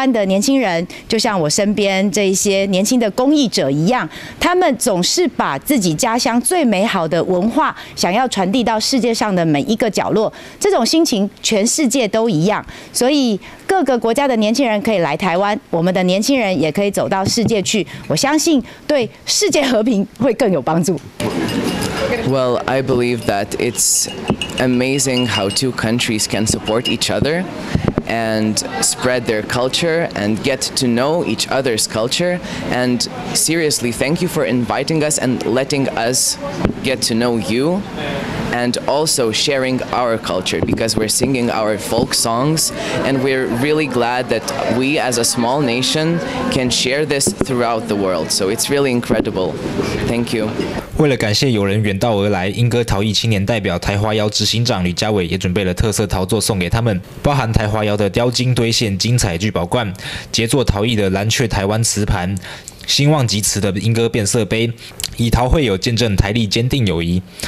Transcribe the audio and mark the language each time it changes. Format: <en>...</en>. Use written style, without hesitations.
<zh>湾的年轻人，就像我身边这一些年轻的公益者一样，他们总是把自己家乡最美好的文化想要传递到世界上的每一个角落，这种心情全世界都一样，所以各个国家的年轻人可以来台湾，我们的年轻人也可以走到世界去，我相信对世界和平会更有帮助。</zh> <en>Well, I believe that it's amazing how two countries can support each other and spread their culture and get to know each other's culture. And seriously, thank you for inviting us and letting us get to know you and also sharing our culture because we're singing our folk songs and we're really glad that we as a small nation can share this throughout the world. So it's really incredible. Thank you.</en> <zh>为了感谢友人远道而来，英歌陶艺青年代表台花窑执行长吕家伟也准备了特色陶作送给他们，包含台花窑的雕金堆线精彩聚宝罐、杰作陶艺的蓝雀台湾瓷盘、兴旺吉瓷的英歌变色杯，以陶会友见证台立坚定友谊。</zh>